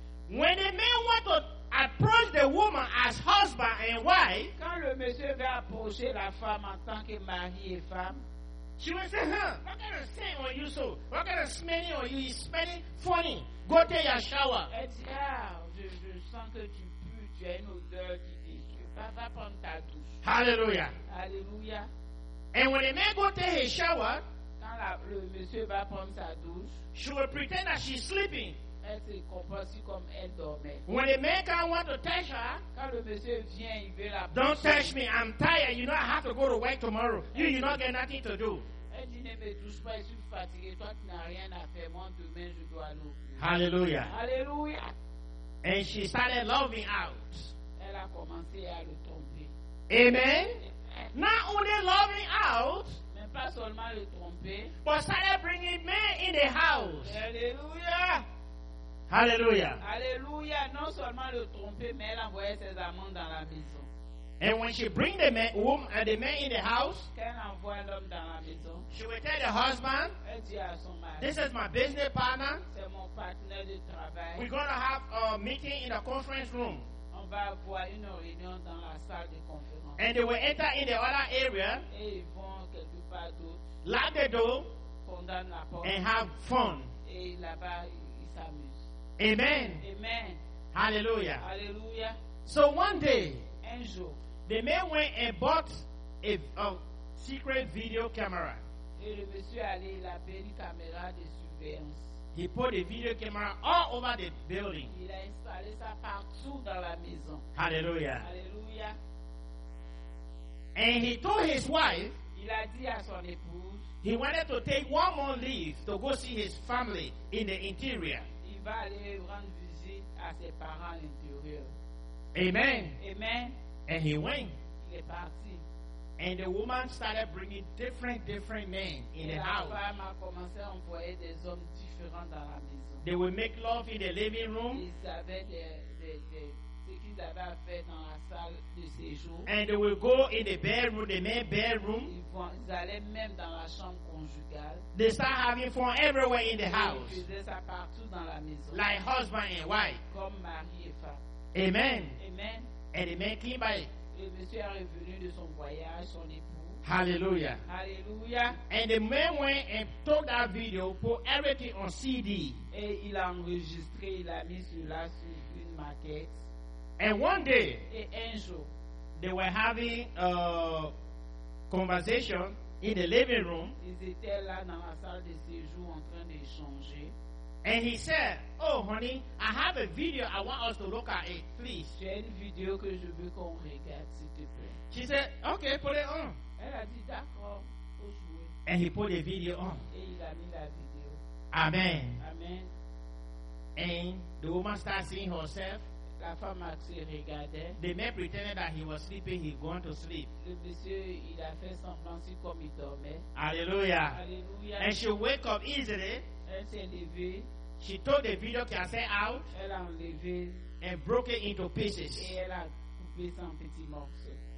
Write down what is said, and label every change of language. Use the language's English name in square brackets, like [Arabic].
[English] when the man went to approach the woman as husband and wife, [French] quand le monsieur veut approcher la femme en tant que mari et femme, [English] she would say, "Huh? What kind of thing are you so? What kind of smelling are you smelling? Funny. Go take your shower." [French] Elle dit, "Ah, je sens que tu pues. Tu as une odeur qui dégueule. Va prendre ta douche." [English] Hallelujah. Hallelujah. And when the man go take his shower, [French] quand le monsieur va prendre sa douche, [English] she will pretend that she's sleeping. [French] être compréhensible comme elle dormait. [English] When the man come want to touch her, [French] quand le monsieur vient, il veut la toucher. [English] Don't touch me, I'm tired. You know I have to go to work tomorrow. You not get nothing to do. [French] Elle dit, mais touche pas, je suis fatigué. Toi, tu n'as rien à faire. Moi, demain, je dois aller. [English] Hallelujah. Hallelujah. And she started loving out. [French] Elle a commencé à le tromper. [English] Amen. Not only loving out, [French] mais pas seulement le tromper, [English] but started bringing men in the house. Hallelujah. Hallelujah. Hallelujah. [French] Non seulement le tromper, mais elle envoyait ses amants dans la maison. [English] And when she bring the man, woman, the man in the house, [French] qu'elle envoie l'homme dans la maison, [English] she will tell the husband, [French] elle dit à son mari, [English] this is my business partner. [French] C'est mon partenaire de travail. [English] We're going to have a meeting in the conference room. [French] On va avoir une réunion dans la salle de conférence. [English] And they will enter in the other area, [French] et ils vont quelque part d'autre, [English] lock the door, [French] condamne la porte, [English] and have fun. [French] Et là-bas, ils s'amusent. [English] Amen. Amen. Hallelujah. Hallelujah. So one day, [French] un jour, [English] the man went and bought a secret video camera. [French] Et le monsieur allait, il a payé une caméra de surveillance. [English] He put a video camera all over the building. [French] Il a installé ça partout dans la maison. [English] Hallelujah. Hallelujah. And he told his wife, [French] il a dit à son épouse, [English] he wanted to take one more leave to go see his family in the interior. [French] Il va aller rendre visite à ses parents à l'intérieur. [English] Amen. Amen. And he went. [French] Il est parti. [English] And the woman started bringing different men in [French] et [English] the house. [French] La femme a commencé à envoyer des hommes différents dans la maison. [English] They would make love in the living room. [French] Ils avaient ce qu'ils avaient à faire dans la salle de séjour. [English] And they would go in the bedroom, the main bedroom. [French] Ils allaient même dans la chambre conjugale. [English] They start having fun everywhere in the house. [French] Ils faisaient ça partout dans la maison. [English] Like husband and wife. [French] Comme mari et femme. [English] Amen. Amen. And the man came by. [French] Le monsieur est revenu de son voyage, son époux. [English] Hallelujah. Hallelujah. And the man went and took that video, put everything on CD. [French] Et il a enregistré, il a mis cela sur une maquette. [English] And one day, [French] et un jour, [English] they were having a conversation in the living room. [French] Ils étaient là dans la salle de séjour en train d'échanger. [English] And he said, oh honey, I have a video, I want us to look at it, please. [French] J'ai une vidéo que je veux qu'on regarde, s'il te plaît. [English] She said, okay, put it on. [French] Elle a dit, d'accord, faut jouer. [English] And he put the video on. [French] Et il a mis la vidéo. [English] Amen. Amen. And the woman started seeing herself. [French] La femme a se regardé. [English] The man pretended that he was sleeping, he going to sleep. [French] Le monsieur, il a fait semblant si comme il dormait. [English] Hallelujah. Hallelujah. And she wake up easily. [French] Elle s'est levée. [English] She took the video cassette out. [French] Elle a enlevé. [English] And broke it into pieces. [French] Et elle a coupé ça en petits morceaux.